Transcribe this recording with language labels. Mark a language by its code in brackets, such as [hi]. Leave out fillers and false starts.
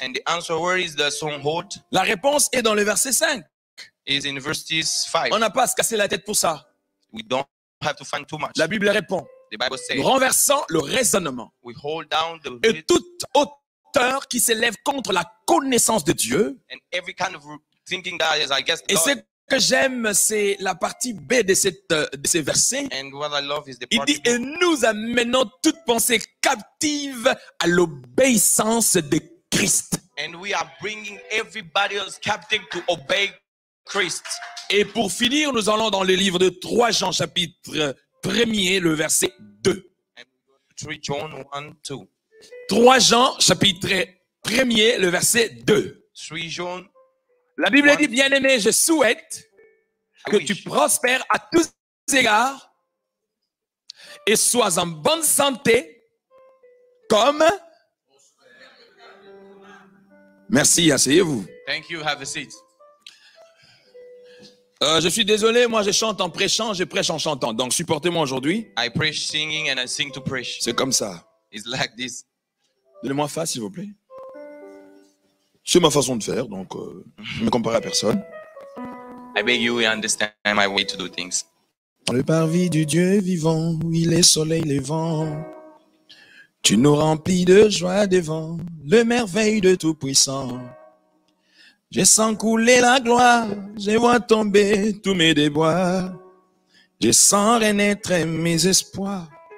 [en] And the answer, where is the stronghold? [fr] La réponse est dans le verset 5. [en] Is in verse 5. [fr] On n'a pas à se casser la tête pour ça. [en] We don't have to find too much. [fr] La Bible répond. [en] The Bible says, [fr] renversant le raisonnement [en] we hold down the [fr] et toute hauteur qui s'élève contre la connaissance de Dieu. [en] And every kind of thinking that is, I guess, [fr] et ce que j'aime, c'est la partie B de ces versets. [en] And what I love is the [fr] il dit, B. Et nous amenons toute pensée captive à l'obéissance de Christ. [en] And we are bringing everybody else captive to obey Christ. [fr] Et pour finir, nous allons dans le livre de 3 Jean, chapitre 1er, le verset 2. [en] 3 John 1, 2. [fr] 3 Jean, chapitre 1er, le verset 2. [en] 3 John. [fr] La Bible 1, dit, bien-aimé, je souhaite que tu prospères à tous égards et sois en bonne santé comme. Merci, asseyez-vous. [en] Thank you, have a seat. [fr] Je suis désolé, moi je chante en prêchant, je prêche en chantant. Donc supportez-moi aujourd'hui. [en] I preach singing and I sing to preach. [fr] C'est comme ça. [en] It's like this. [fr] Donnez-moi face, s'il vous plaît. C'est ma façon de faire, donc je ne me compare à personne. [en] I beg you, you understand my way to do things. [fr] Le parvis du Dieu vivant, oui, les soleils, les vents. Tu nous remplis de joie devant le merveille de tout puissant. Je sens couler la gloire, je vois tomber tous mes déboires, je sens renaître mes espoirs.